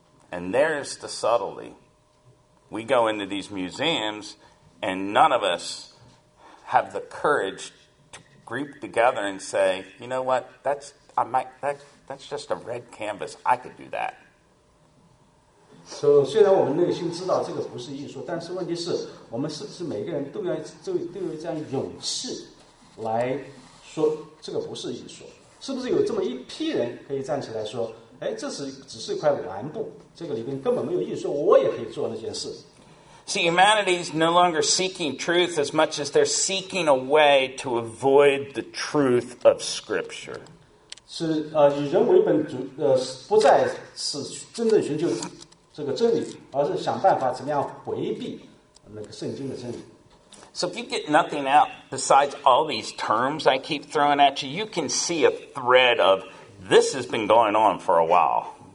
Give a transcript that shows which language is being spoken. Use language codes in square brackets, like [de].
[en] And there's the subtlety. We go into these museums, and none of us have the courage to group together and say, you know what, that's just a red canvas. I could do that. [zh] So, 虽然我们内心知道这个不是艺术，但是问题是，我们是不是每个人都有这样勇气来说这个不是艺术？是不是有这么一批人可以站起来说？哎，这是只是一块蓝布，这个里边根本没有艺术，我也可以做那件事。 [en] See, humanity is no longer seeking truth as much as they're seeking a way to avoid the truth of Scripture. [zh] 是以人为本主不再是真正寻求这个真理，而是想办法怎么样回避那个圣经的真理。 [en] So if you get nothing out besides all these terms I keep throwing at you, you can see a thread of. This has been going on for a while.